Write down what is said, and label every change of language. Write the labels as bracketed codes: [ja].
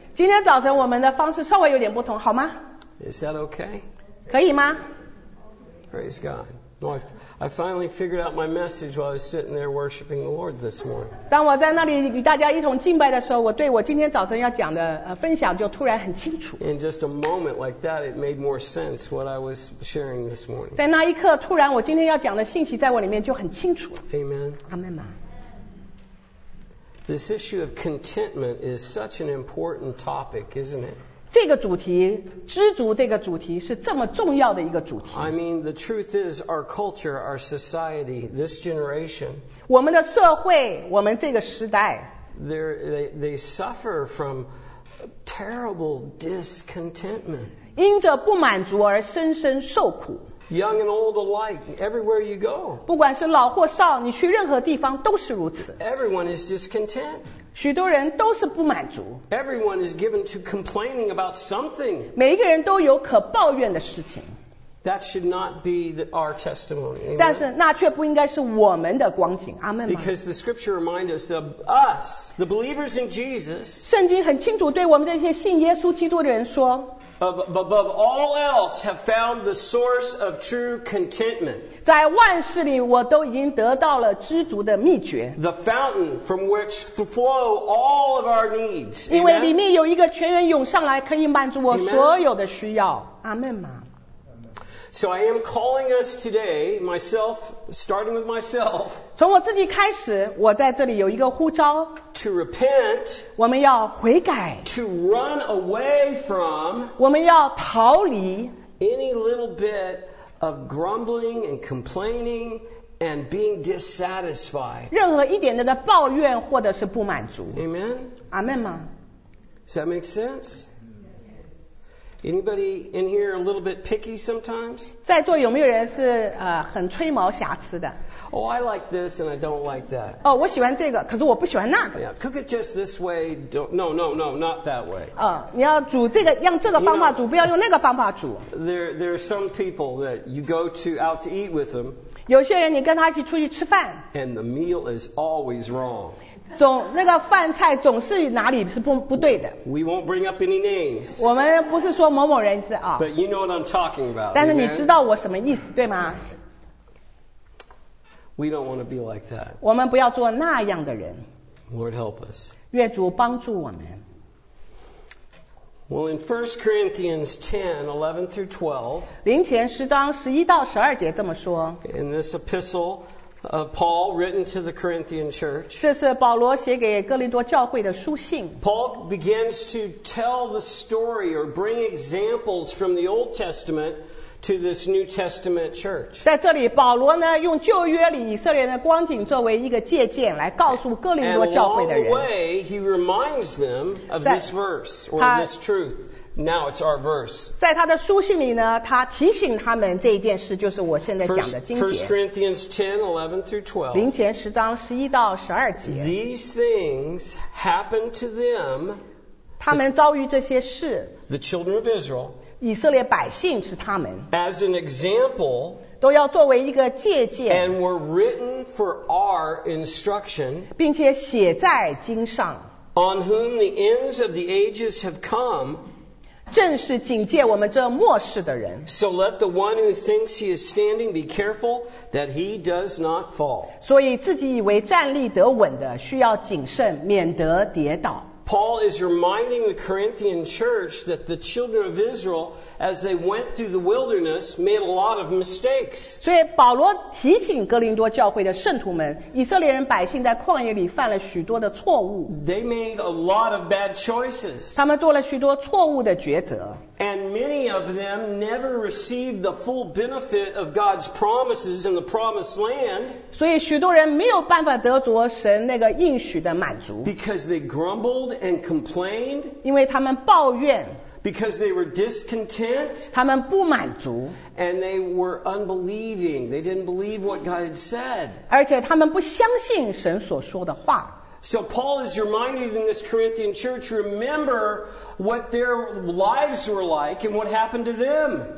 [zh] 今天早晨我们的方式稍微有点不同，好吗？ [en] Is that okay? [zh] 可以吗？ [en] Praise God. I finally figured out my message while I was sitting there worshiping the Lord this morning. [zh] 当我在那里与大家一同敬拜的时候，我对我今天早晨要讲的分享就突然很清楚。 [en] In just a moment like that, it made more sense what I was sharing this morning. [zh] 在那一刻，突然我今天要讲的信息在我里面就很清楚。 [en] Amen. Amen. This issue of contentment is such an important topic, isn't it? [zh] 这个主题，知足这个主题是这么重要的一个主题。 [en] I mean, the truth is, our culture, our society, this generation. [zh] 我们的社会，我们这个时代。 [en] They suffer from terrible discontentment. [zh] 因着不满足而深深受苦。 [en] Young and old alike, everywhere you go. [zh] 不管是老或少，你去任何地方都是如此。 [en] Everyone is discontent. [zh] 许多人都是不满足。 [en] Everyone is given to complaining about something. [zh] 每一个人都有可抱怨的事情。 [en] That should not be our testimony. [zh] 但是那却不应该是我们的光景。阿们吗？ [en] Because the scripture reminds us of us, the believers in Jesus. [zh] 圣经很清楚对我们这些信耶稣基督的人说。 [en] Above all else, have found the source of true contentment. [zh] 在万事里，我都已经得到了知足的秘诀。 [en] The fountain from which flow all of our needs. [zh] 因为里面有一个泉源涌上来，可以满足我所有的需要。阿门吗？ [en] So I am calling us today, myself, starting with myself. [zh] 从我自己开始，我在这里有一个呼召。 [en] To repent, [zh] 我们要悔改。 [en] To run away from, [zh] 我们要逃离。 [en] Any little bit of grumbling and complaining and being dissatisfied. [zh] 任何一点点的抱怨或者是不满足。 [en] Amen. [zh] Amen 吗？ [en] Does that make sense? Anybody in here a little bit picky sometimes? [zh] 在座有没有人是很吹毛瑕疵的？ [en] Oh, I like this and I don't like that. [zh] 哦，我喜欢这个，可是我不喜欢那个。 [en] Yeah, cook it just this way. No, not that way. [zh] 你要煮这个，用这个方法煮， [en] you know, [zh] 不要用那个方法煮。 [en] There are some people that you go to out to eat with them. [zh] 有些人你跟他一起出去吃饭。 [en] And the meal is always wrong. [zh] 总那个饭菜总是哪里是不对的。 [en] We won't bring up any names. [zh] 我们不是说某某人字啊。 [en] But you know what I'm talking about. [zh] 但是你知道我什么意思，对吗？ [en] We don't want to be like that. [zh] 我们不要做那样的人。 [en] Lord help us. [zh] 愿主帮助我们。 [en] Well, in 1 Corinthians 10, 11 through 12, [zh] 林前十章十一到十二节这么说。 [en] In this epistle of Paul written to the Corinthian church, [zh] 这是保罗写给哥林多教会的书信。 [en] Paul begins to tell the story or bring examples from the Old Testament. To this New Testament church. [zh] 在这里，保罗呢用旧约里以色列的光景作为一个借鉴，来告诉哥林多教会的人。 [en] And along the way, he reminds them of this verse or this truth. Now it's our verse. [zh] 在他的书信里呢，他提醒他们这一件事，就是我现在讲的经节。 [en] First Corinthians 10:11-12. [zh] 林前十章十一到十二节。 [en] These things happen to them. [zh] 他们遭遇这些事。 [en] The children of Israel. [zh] 以色列百姓是他们 [en] As an example, [zh] 都要作为一个借鉴 [en] and were written for our instruction, [zh] 并且写在经上 [en] on whom the ends of the ages have come, [zh] 正是警戒我们这末世的人。 [en] So let the one who thinks he is standing be careful that he does not fall. [zh] 所以自己以为站立得稳的，需要谨慎，免得跌倒。 [en] Paul is reminding the Corinthian church that the children of Israel, as they went through the wilderness, made a lot of mistakes. [zh] 所以保罗提醒哥林多教会的圣徒们，以色列人百姓在旷野里犯了许多的错误。 [en] They made a lot of bad choices. [zh] 他们做了许多错误的抉择。 [en] And many of them never received the full benefit of God's promises in the promised land. [zh] 所以许多人没有办法得着神那个应许的满足。 [en] Because they grumbled and complained. [zh] 因为他们抱怨。 [en] Because they were discontent. [zh] 他们不满足。 [en] And they were unbelieving. They didn't believe what God had said. [zh] 而且他们不相信神所说的话。 [en] So Paul is reminding this Corinthian church, remember what their lives were like and what happened to them.